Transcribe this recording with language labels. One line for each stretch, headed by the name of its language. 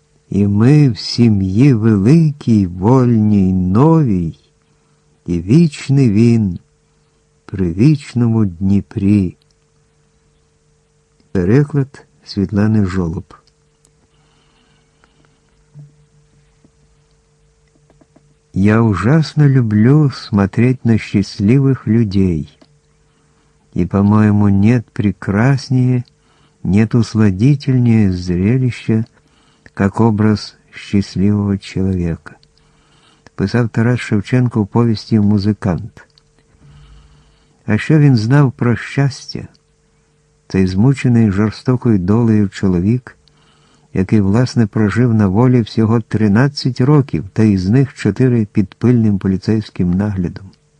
Ukrainian: І ми в сім'ї великій, вольній, новій, і вічний він при вічному Дніпрі. Переклад Світлани Жолоб.
Russian: Я ужасно люблю смотреть на счастливых людей, и, по-моему, нет прекраснее, нет усладительнее зрелища, как образ счастливого человека.
Ukrainian: Писав Тарас Шевченко в повісті «Музикант». А що він знав про щастя? Цей змучений жорстокою долею чоловік, який, власне, прожив на волі всього 13 років, та із них 4 під пильним поліцейським наглядом.